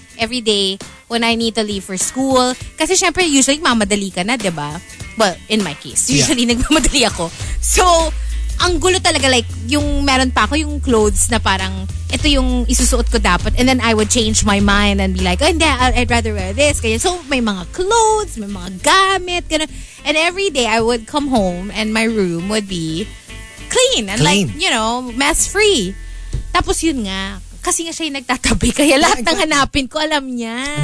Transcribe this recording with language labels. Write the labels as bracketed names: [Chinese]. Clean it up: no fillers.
[English] Every day when I need to leave for school. [Filipino] Kasi syempre, usually mamadali ka na, diba? [English] Well, in my case. Usually yeah. [Filipino] nagmamadali ako. So, ang gulo talaga, like, yung meron pa ako yung clothes na parang, ito yung isusuot ko dapat. [English] And then I would change my mind and be like, [Filipino] oh, hindi, [English] I'd rather wear this. [Filipino] Kaya, so, may mga clothes, may mga gamit. Ganun. [English] And every day, I would come home and my room would be clean. And clean. Like, you know, mess-free. [Filipino] Tapos yun nga, kasi nga siya yung nagtatabi, kaya lahat ng hanapin ko, alam niya.